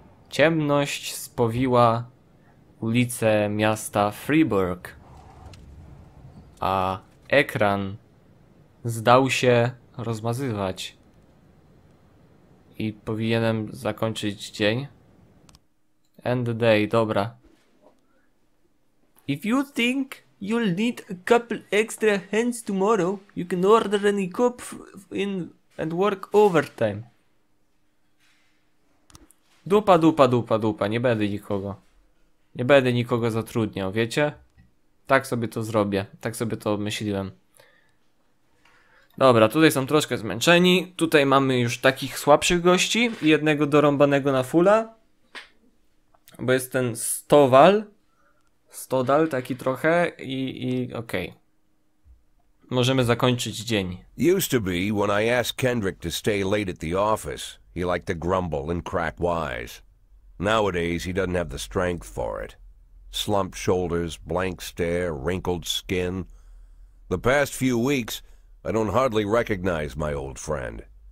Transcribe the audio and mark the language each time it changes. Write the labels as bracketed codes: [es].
[pl] Ciemność spowiła ulicę miasta Freeburg. A ekran zdał się rozmazywać. I powinienem zakończyć dzień. [en] End day, dobra. If you think you'll need a couple extra hands tomorrow, you can order any cup in and work overtime. [pl] Dupa, dupa, dupa, dupa, nie będę nikogo. Nie będę nikogo zatrudniał, wiecie? Tak sobie to zrobię, tak sobie to myśliłem. Dobra, tutaj są troszkę zmęczeni. Tutaj mamy już takich słabszych gości i jednego dorąbanego na fulla. Bo jest ten Stodal taki trochę i okej. Okay. Możemy zakończyć dzień. [en] Used to be when I asked Kendrick to stay late at the office, he liked to grumble and crack wise. Nowadays he doesn't have the strength for it. Slumped shoulders, blank stare, wrinkled skin. The past few weeks I don't hardly recognize my old friend.